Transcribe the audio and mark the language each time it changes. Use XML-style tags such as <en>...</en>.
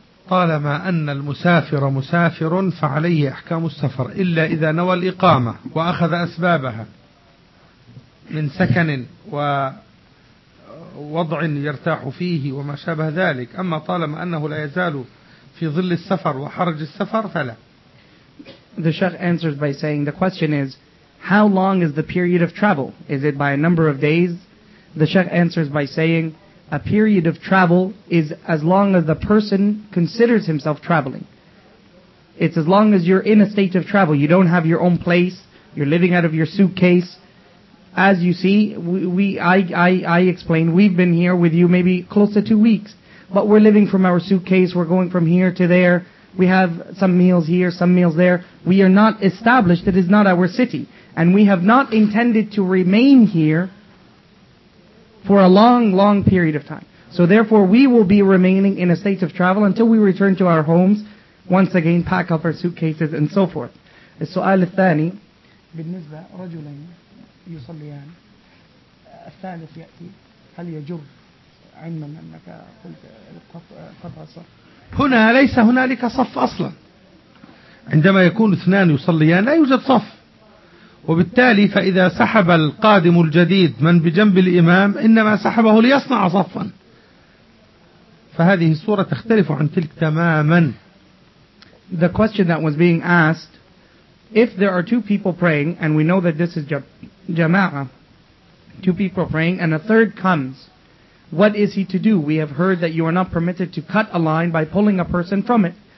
<ar>طالما أن المسافر مسافر فعليه أحكام السفر إلا إذا نوى الإقامة وأخذ أسبابها من سكن ووضع يرتاح فيه وما شابه ذلك. أما طالما أنه لا يزال في ظل السفر وحرج السفر فلا.</ar> <en>The Sheikh answers by saying, the question is, how long is the period of travel? Is it by a number of days? The Sheikh answers by saying, a period of travel is as long as the person considers himself traveling. It's as long as you're in a state of travel. You don't have your own place. You're living out of your suitcase. As you see, I explained, we've been here with you maybe close to 2 weeks. But we're living from our suitcase. We're going from here to there. We have some meals here, some meals there. We are not established. It is not our city. And we have not intended to remain here for a long, long period of time. So therefore, we will be remaining in a state of travel until we return to our homes, once again pack up our suitcases and so forth.</en> <ar>السؤال الثاني بالنسبة رجلين يصليان الثالث يأتي هل يجر علما أنك قلت قطع صف هنا ليس هنالك صف أصلا. عندما يكون اثنان يصليان لا يوجد صف, وبالتالي فإذا سحب القادم الجديد من بجنب الإمام إنما سحبه ليصنع صفا, فهذه الصورة تختلف عن تلك تماما.</ar> <en>The question that was being asked, if there are two people praying, and we know that this is jama'ah, two people praying, and a third comes, what is he to do? We have heard that you are not permitted to cut a line by pulling a person from it.</en>